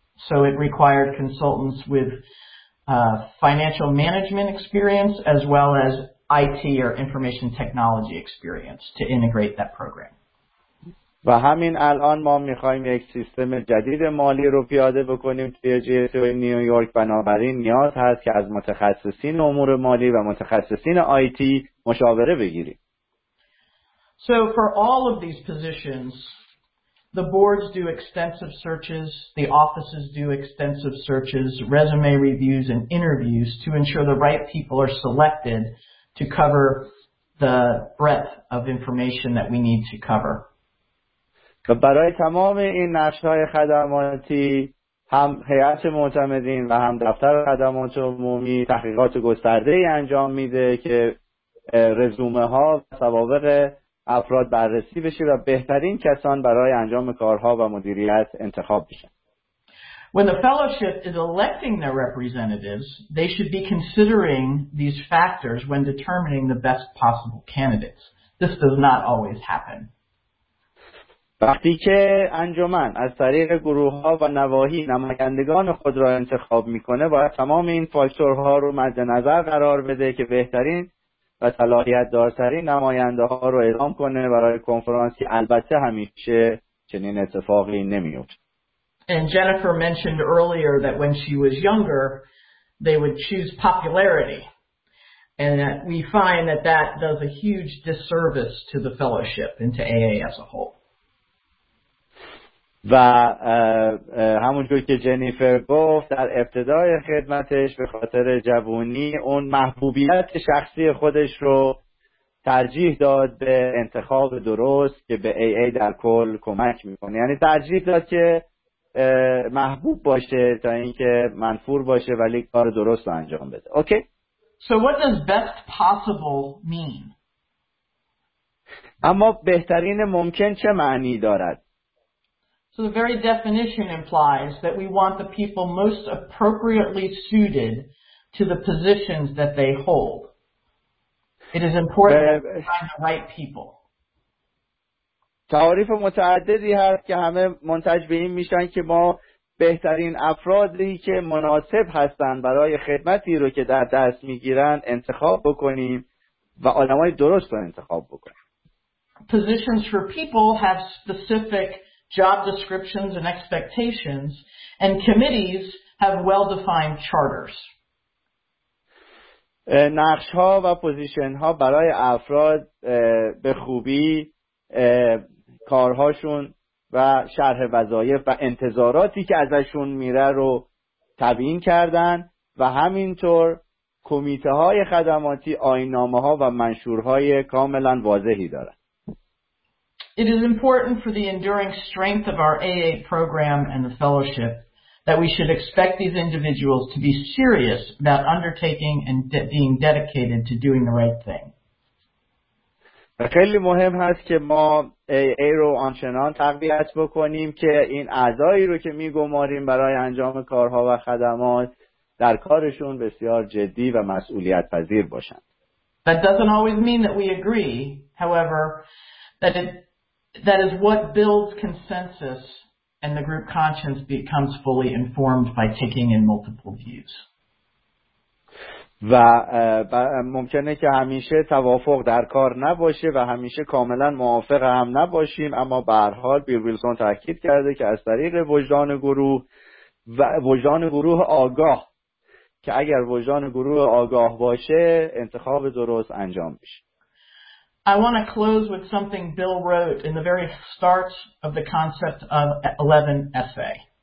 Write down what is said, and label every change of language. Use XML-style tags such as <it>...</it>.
<en>So it required consultants with financial management experience as well as IT or information technology experience to integrate that program.</en> <fa>و همین الان ما می‌خوایم یک سیستم جدید مالی رو پیاده بکنیم توی جی‌تی نیویورک، بنابراین نیاز هست که از متخصصین امور مالی و متخصصین IT مشاوره بگیریم.</fa> <en>So for all of these positions, the boards do extensive searches, the offices do extensive searches, resume reviews and interviews to ensure the right people are selected to cover the breadth of information that we need to cover.</en> <fa>برای تمام این نقش‌های خدماتی هم هیئت معتمدین و هم دفتر خدمات عمومی تحقیقات گسترده‌ای انجام میده که رزومه ها و سوابق افراد بررسی بشه و بهترین کسان برای انجام کارها و مدیریت انتخاب بشن.</fa> <en>When the fellowship is electing their representatives, they should be considering these factors when determining the best possible candidates. This does not always happen.</en> <fa>وقتی که انجمن از طریق گروه ها و نواحی نمایندگان خود را انتخاب میکنه باید تمام این فاکتورها رو مد نظر قرار بده که بهترین و صلاحیت دارترین نماینده ها رو اعلام کنه برای کنفرانسی. البته همیشه چنین اتفاقی نمیفته.</fa> <en>And Jennifer mentioned earlier that when she was younger they would choose popularity and that we find that that does a huge disservice to the fellowship and to AA as a whole.</en> <fa>و همونجور که جنیفر گفت در ابتدای خدمتش به خاطر جوانی اون محبوبیت شخصی خودش رو ترجیح داد به انتخاب درست که به AA در کل کمک میکنه، یعنی ترجیح داد که محبوب باشه تا اینکه منفور باشه ولی کار درست رو انجام بده. اوکی؟</fa> <en>So what does best possible mean?</en> <fa>اما بهترین ممکن چه معنی دارد؟</fa> <en>So the very definition implies that we want the people most appropriately suited to the positions that they hold. It is important to find the right people.</en> <fa>تعاریف متعددی هست که همه منتج به این میشن که ما بهترین افرادی که مناسب هستند برای خدمتی رو که در دست میگیرن انتخاب بکنیم و آدمای درست رو انتخاب بکنیم.</fa> <en>Positions for people have specific job descriptions and expectations, and committees have well-defined charters.</en> <fa>نقش‌ها و پوزیشن‌ها برای افراد به خوبی کارهاشون و شرح وظایف و انتظاراتی که ازشون میره رو تبیین کردن و همینطور کمیته‌های خدماتی آیین‌نامه‌ها و منشورهای کاملاً واضحی دارن.</fa> <en>It is important for the enduring strength of our AA program and the fellowship that we should expect these individuals to be serious about undertaking and being dedicated to doing the right thing.</en> <fa>خیلی مهم هست که ما AA رو آنچنان تقویت بکنیم که این اعضایی رو که میگماریم برای انجام کارها و خدمات در کارشون بسیار جدی و مسئولیت پذیر باشن.</fa> <en>That doesn't always mean that we agree, however, that is what builds consensus and the group conscience becomes fully informed by taking in multiple views.</en> <fa>و ممکنه که همیشه توافق در کار نباشه و همیشه کاملا موافق هم نباشیم، اما به هر حال بیل ویلسون تاکید کرده که از طریق وجدان گروه و وجدان گروه آگاه که اگر وجدان گروه آگاه باشه انتخاب درست انجام میشه.</fa> <en>I want to close with something Bill wrote in the very start of the concept of 11 essay.</en>